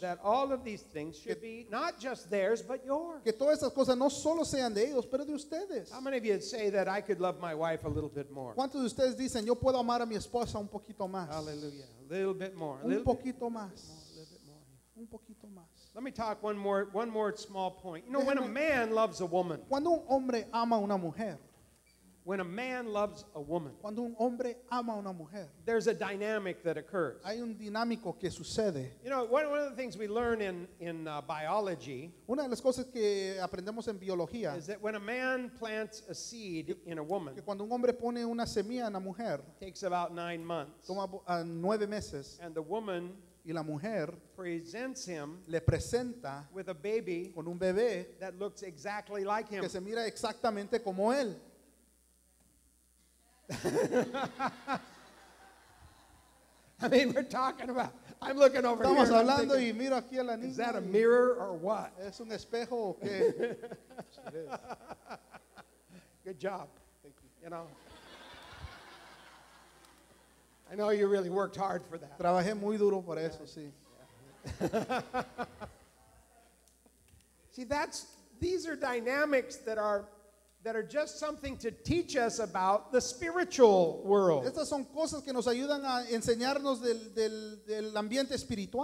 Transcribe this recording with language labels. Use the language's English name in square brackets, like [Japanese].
[English] That all of these things should be not just theirs, but yours. [Spanish] Que todas estas cosas no solo sean de ellos, pero de ustedes. [English] How many of you say that I could love my wife a little bit more? [Spanish] ¿Cuántos de ustedes dicen, yo puedo amar a mi esposa un poquito más? [English] Hallelujah. A little bit more. [Spanish] Un poquito más. Un poquito más. [English] Let me talk one more small point. You know, when a man loves a woman. [Spanish] Cuando un hombre ama a una mujer. [English] When a man loves a woman. [Spanish] Cuando un hombre ama a una mujer. [English] There's a dynamic that occurs. [Spanish] Hay un dinámico que sucede. [English] You know, one of the things we learn in biology. [Spanish] Una de las cosas que aprendemos en biología. [English] Is that when a man plants a seed in a woman. [Spanish] Que cuando un hombre pone una semilla en la mujer. [English] Takes about 9 months. [Spanish] Toma 9 meses. [English] And the woman. [Spanish] Y la mujer [English] presents him [Spanish] le presenta [English] with a baby [Spanish] con un bebé [English] that looks exactly like him. [Spanish] Que se mira exactamente como él. [English] I mean, we're talking about. I'm looking over [Spanish] Estamos [English] here. [Spanish] Hablando [English] thinking, [Spanish] y miro aquí a la niña. [English] Is that a mirror or what? [Spanish] ¿Es un espejo o qué? [English] Good job. Thank you. You know. I know you really worked hard for that. [Spanish] Trabajé muy duro por eso, sí. [English] See, these are dynamics that are just something to teach us about the spiritual world. [Spanish] Estas son cosas que nos ayudan a enseñarnos del ambiente espiritual.